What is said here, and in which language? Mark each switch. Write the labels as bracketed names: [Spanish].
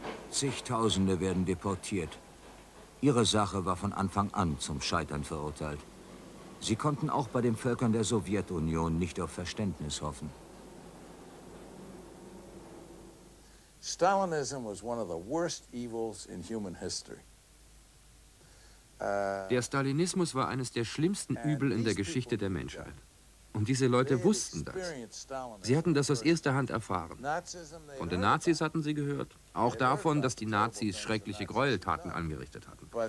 [German] Zigtausende werden deportiert. Ihre Sache war von Anfang an zum Scheitern verurteilt. Sie konnten auch bei den Völkern der Sowjetunion nicht auf Verständnis hoffen. [English] Stalinism was one of the worst evils in human history. [German] Der Stalinismus war eines der schlimmsten Übel in der Geschichte der Menschheit. Und diese Leute wussten das. Sie hatten das aus erster Hand erfahren. Von den Nazis hatten sie gehört. Auch davon, dass die Nazis schreckliche Gräueltaten angerichtet hatten.